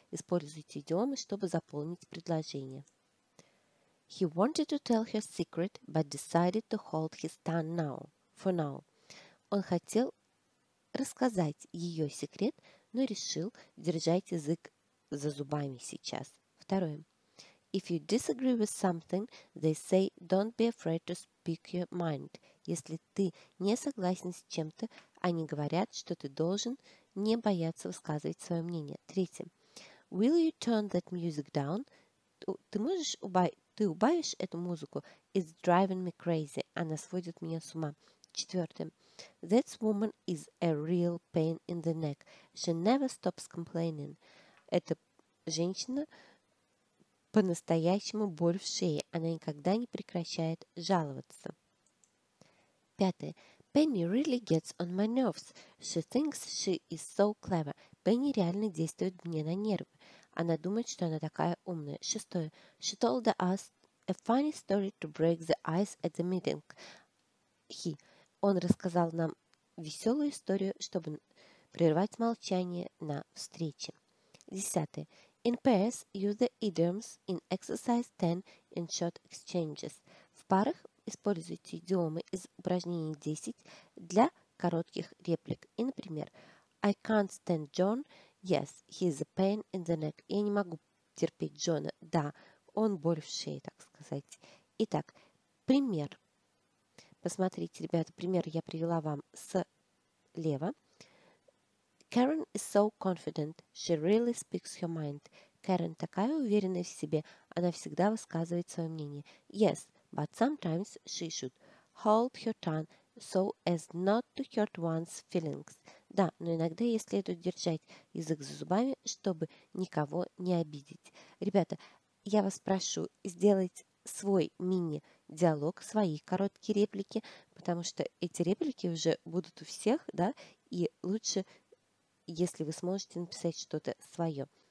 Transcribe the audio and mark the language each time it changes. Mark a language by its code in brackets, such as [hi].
[ru] Используйте идиомы, чтобы заполнить предложение. [en] He wanted to tell her secret, but decided to hold his tongue now, for now. [ru] Он хотел рассказать ее секрет, но решил держать язык за зубами сейчас. Второе. [en] If you disagree with something, they say, don't be afraid to speak your mind. [ru] Если ты не согласен с чем-то, они говорят, что ты должен не бояться высказывать свое мнение. Третье. [en] Will you turn that music down? [ru] Ты можешь убавишь эту музыку? [en] It's driving me crazy. [ru] Она сводит меня с ума. Четвертое. [en] That woman is a real pain in the neck. She never stops complaining. [ru] Эта женщина по-настоящему боль в шее. Она никогда не прекращает жаловаться. Пятое. [en] Penny really gets on my nerves. She thinks she is so clever. [ru] Penny реально действует мне на нервы. Она думает, что она такая умная. Шестое. [en] She told us a funny story to break the ice at the meeting. [ru] Он рассказал нам веселую историю, чтобы прервать молчание на встрече. Десятое. [en] In pairs, use the idioms in exercise 10 in short exchanges. [ru] В парах используйте идиомы из упражнений 10 для коротких реплик. И, например, [en] I can't stand John. Yes, he's a pain in the neck. [ru] Я не могу терпеть Джона. Да, он боль в шее, так сказать. Итак, пример. Посмотрите, ребята, пример я привела вам слева. [en] Karen is so confident, she really speaks her mind. [ru] Karen такая уверенная в себе, она всегда высказывает свое мнение. [en] Yes, but sometimes she should hold her tongue so as not to hurt one's feelings. [ru] Да, но иногда ей следует держать язык за зубами, чтобы никого не обидеть. Ребята, я вас прошу сделать свой мини-диалог, свои короткие реплики, потому что эти реплики уже будут у всех, да, и лучше, если вы сможете написать что-то свое.